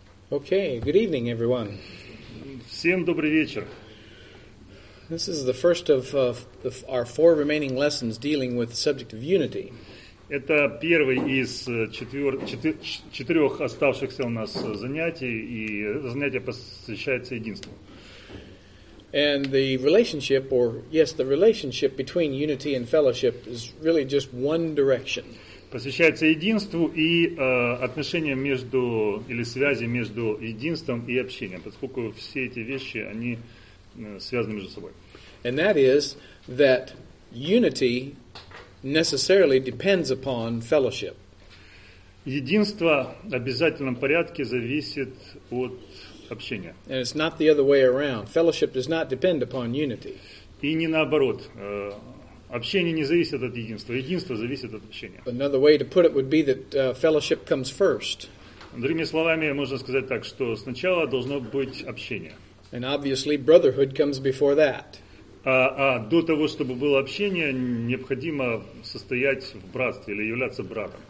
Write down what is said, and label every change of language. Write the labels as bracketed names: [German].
[English] Okay, good evening, everyone. [Russian] Всем добрый вечер. [English] This is the first of our four remaining lessons dealing with the subject of unity. [Russian] Это первый из четырех оставшихся у нас занятий, и занятие посвящается единству. [English] And the relationship, or yes, the relationship between unity and fellowship is really just one direction. [Russian] Посвящается единству и отношениям между, или связи между единством и общением, поскольку все эти вещи, они связаны между собой. [English] And that is that unity necessarily depends upon fellowship. [Russian] Единство в обязательном порядке зависит от общения. [English] And it's not the other way around. Fellowship does not depend upon unity. [Russian] И не наоборот. Общение не зависит от единства. Единство зависит от общения. [English] Another way to put it would be that fellowship comes first. [Russian] Другими словами, можно сказать так, что сначала должно быть общение. [English] And obviously brotherhood comes before that. [Russian] А до того, чтобы было общение, необходимо состоять в братстве или являться братом.